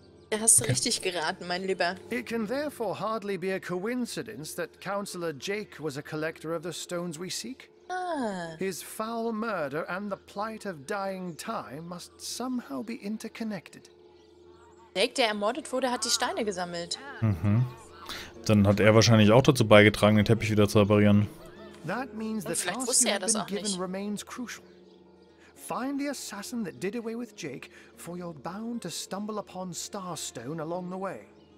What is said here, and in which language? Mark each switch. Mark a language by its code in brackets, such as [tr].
[de] Da hast du richtig geraten, mein Lieber. [en] It can therefore hardly be a coincidence that Counselor Jake was a collector of the stones we seek. His foul murder and the plight of dying time must somehow be interconnected. [de] Jake, der ermordet wurde, hat die Steine gesammelt. Mhm. Dann hat er wahrscheinlich auch dazu beigetragen, den Teppich wieder zu reparieren. [en] That means the task you have been given remains crucial. Find the assassin that did away with Jake, for you're bound to stumble upon Starstone along the way.